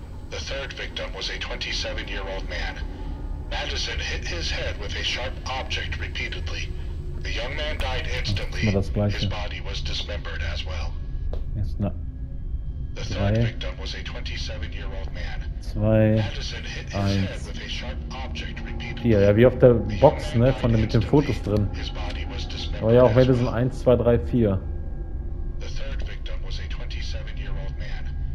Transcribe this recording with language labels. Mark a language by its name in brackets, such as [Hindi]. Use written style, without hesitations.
[English] The third victim was a 27-year-old man. Madison hit his head with a sharp object repeatedly. The young man died instantly. His body was dismembered as well. Yes, no. The third victim was a 27-year-old man. Madison hit his head with a sharp object repeatedly. [German] Hier, ja, wie auf der Box, ne, von mit den Fotos drin. Aber ja, auch Madison 1, 2, 3, 4. [English] The third victim was a 27-year-old man.